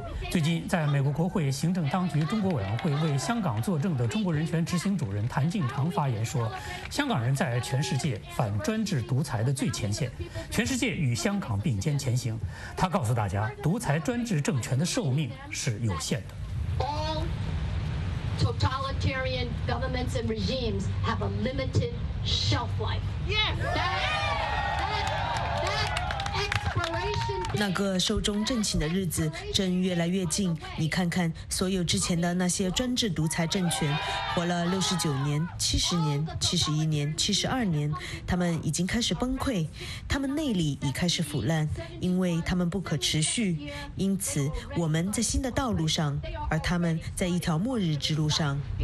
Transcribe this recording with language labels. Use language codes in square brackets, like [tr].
[zh] 最近在美国国会行政当局中国委员会为香港作证的中国人权执行主任谭晋长发言说，香港人在全世界反专制独裁的最前线，全世界与香港并肩前行。他告诉大家，独裁专制政权的寿命是有限的。 [en] All totalitarian governments and regimes have a limited shelf life. Yes! Yes! [zh] 那个寿终正寝的日子正越来越近，你看看所有之前的那些专制独裁政权，活了69年、70年、71年、72年，他们已经开始崩溃，他们内里已开始腐烂，因为他们不可持续，因此我们在新的道路上，而他们在一条末日之路上。